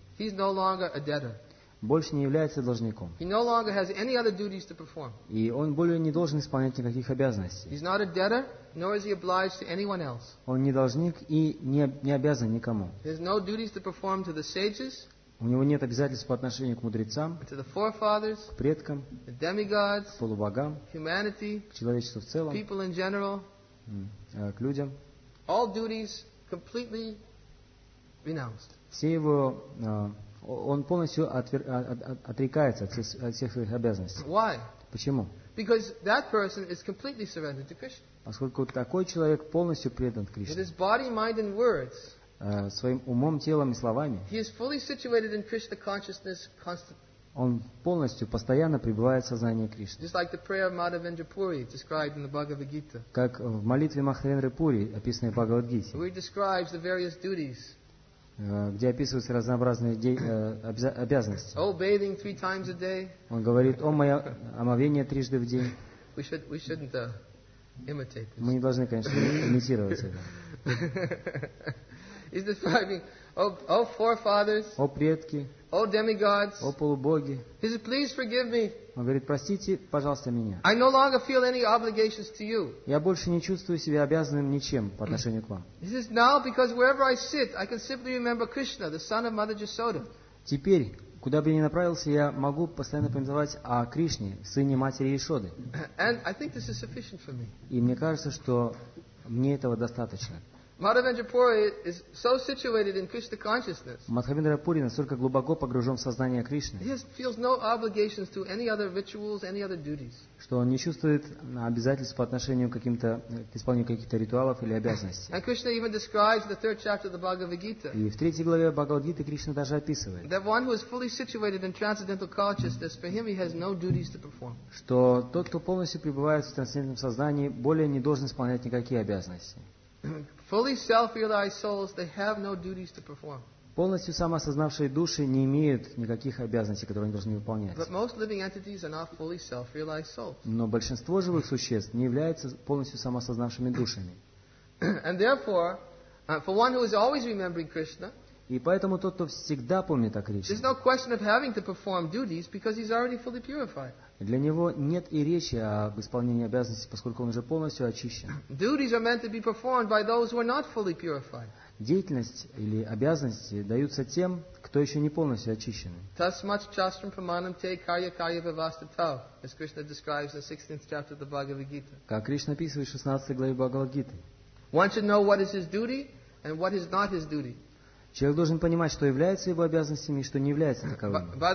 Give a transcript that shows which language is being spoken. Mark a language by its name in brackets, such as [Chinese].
[English] He's no longer a debtor. [Russian] Больше не является должником. [English] He no longer has any other duties to perform. [Russian] И он более не должен исполнять никаких обязанностей. [English] He's not a debtor, nor is he obliged to anyone else. [Russian] Он не должник и не обязан никому. [English] There's no duties to perform to the sages. [Russian] У него нет обязательств по отношению к мудрецам, [English] to the forefathers, [Russian] к предкам, [English] the demigods, [Russian] к полубогам, [English] humanity, [Russian] к человечеству в целом, [English] people in general. [Russian] К людям. [English] All duties completely renounced. [Russian] Все его, он полностью отрекается от всех своих обязанностей. [English] Why? [Russian] Почему? [English] Because that person is completely surrendered to Krishna. [Russian] Поскольку такой человек полностью предан Кришне. [English] With his body, mind, and words. [Russian] Своим умом, телом и словами. [English] He is fully situated in Krishna consciousness constantly. [Russian] Он полностью, постоянно пребывает в сознании Кришны. [English] Just like the prayer of Madhavendra Puri, described in the Bhagavad Gita. [Russian] Как в молитве Мадхавендры Пури, описанной в Бхагавад Гите. [English] Where it describes the various duties. [Russian] Где описываются разнообразные обязанности. [English] Oh, bathing three times a day. [Russian] Он говорит, о, мое омовение трижды в день. [English] We shouldn't imitate this. [Russian] Мы не должны, конечно, имитировать это. [English] He's describing, oh, forefathers. [Russian] О, предки. [English] О, demigods. [Russian] О, полубоги. [English] He says, please forgive me. [Russian] Он говорит, простите, пожалуйста, меня. [English] I no longer feel any obligations to you. [Russian] Я больше не чувствую себя обязанным ничем по отношению к вам. [English] He says, now, because wherever I sit, I can simply remember Krishna, the son of Mother Jasoda. [Russian] Теперь, куда бы я ни направился, я могу постоянно помнить о Кришне, сыне матери Ишоды. [English] And I think this is sufficient for me. [Russian] И мне кажется, что мне этого достаточно. [English] Madhavendra Puri is so situated in Krishna consciousness. [Russian] Мадхавендра Пури настолько глубоко погружен в сознание Кришны. [English] He feels no obligations to any other rituals, any other duties. [Russian] Что он не чувствует обязательств по отношению к каким-то к исполнению каких-то ритуалов или обязанностей. [English] And Krishna even describes the third chapter of the Bhagavad Gita. [Russian] И в третьей главе Бхагавад Гиты Кришна даже описывает. [English] That one who is fully situated in transcendental consciousness, for him he has no duties to perform. [Russian] Что тот, кто полностью пребывает в трансцендентном сознании, более не должен исполнять никакие обязанности. [English] Fully self-realized souls, they have no duties to perform. [Russian] Полностью самоосознавшие души не имеют никаких обязанностей, которые они должны выполнять. [English] But most living entities are not fully self-realized souls. [Russian] Но большинство живых существ не являются полностью самоосознавшими душами. [English] And therefore, for one who is always remembering Krishna. [Russian] И поэтому тот, кто всегда помнит о Кришне. [English] There's no question of having to perform duties because he's already fully purified. [Russian] Для него нет и речи об исполнении обязанностей, поскольку он уже полностью очищен. [English] Duties are meant to be performed by those who are not fully purified. [Russian] Деятельность или обязанности даются тем, кто еще не полностью очищен. [Sanskrit] Tasmat chastram pramanam te karya karya vivastitav, [English] as Krishna describes in the 16th chapter of the Bhagavad Gita. [Russian] Как Кришна описывает в 16 главе Бхагавад Гиты. [English] One should know what is his duty and what is not his duty. [Russian] Человек должен понимать, что является его обязанностями и что не является таковыми.